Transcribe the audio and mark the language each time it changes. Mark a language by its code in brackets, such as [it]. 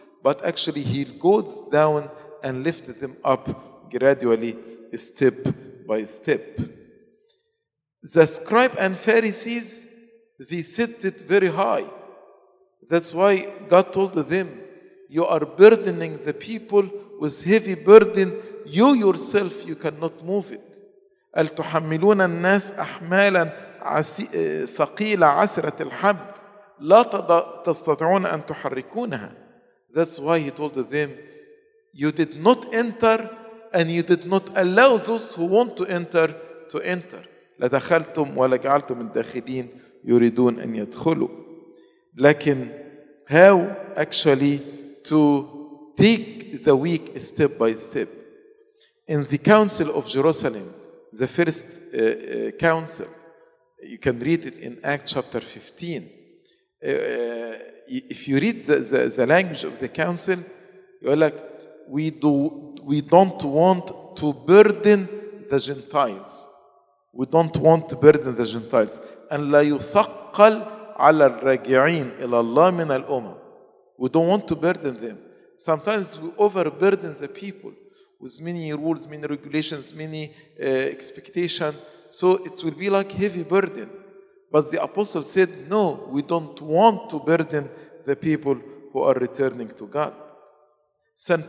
[en] But actually, he goes down and lifts them up gradually, step by step. The scribe and Pharisees, they set it very high. That's why God told them, you are burdening the people with heavy burden. You yourself, you cannot move it. [ar] التحملون الناس أحمالا ثقيلة عسرة الحمل لا تستطيعون أن تحركونها. [en] That's why he told them, you did not enter and you did not allow those who want to enter to enter. [ar] لدخلتم ولجعلتم الداخلين يريدون أن يدخلوا. [en] لكن how actually to take the weak step by step. In the Council of Jerusalem, the first council, you can read it in Acts chapter 15. If you read the language of the council, you're like, we don't want to burden the Gentiles. We don't want to burden the Gentiles. [ar] And لا يثقل على الراجعين إلى الله من الأمم. [en] We don't want to burden them. Sometimes we overburden the people with many rules, many regulations, many expectation. So it will be like heavy burden. But the apostle said, no, we don't want to burden the people who are returning to God. St.